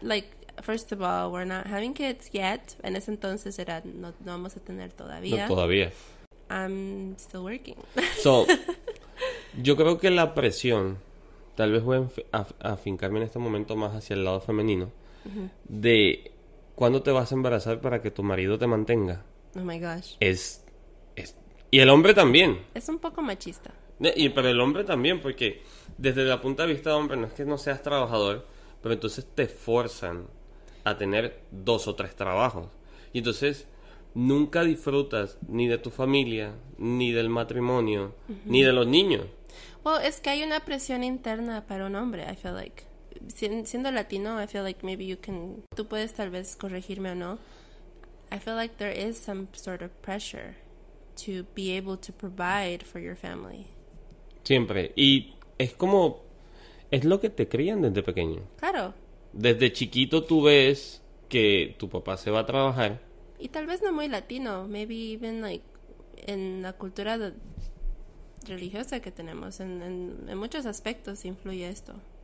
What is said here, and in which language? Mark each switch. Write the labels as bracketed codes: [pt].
[en] Like, first of all, we're not having kids yet. [es] En ese entonces era, no vamos a tener todavía. No, todavía. [en] I'm still working. So... [es] Yo creo que la presión, tal vez voy a afincarme en este momento más hacia el lado femenino, uh-huh, de cuándo te vas a embarazar para que tu marido te mantenga. [en] Oh my gosh. [es] Es y el hombre también. Es un poco machista. Pero el hombre también, porque desde la punta de vista de hombre, no es que no seas trabajador, pero entonces te forzan a tener dos o tres trabajos. Y entonces... nunca disfrutas ni de tu familia, ni del matrimonio, uh-huh, ni de los niños. Well, es que hay una presión interna para un hombre, [en] I feel like. [es] Siendo latino, [en] I feel like maybe you can... [es] Tú puedes tal vez corregirme o no. [en] I feel like there is some sort of pressure to be able to provide for your family. [es] Siempre. Y es como, es lo que te crían desde pequeño. Claro. Desde chiquito tú ves que tu papá se va a trabajar. Y tal vez no muy latino, [en] maybe even like [es] en la cultura religiosa que tenemos, en muchos aspectos influye esto,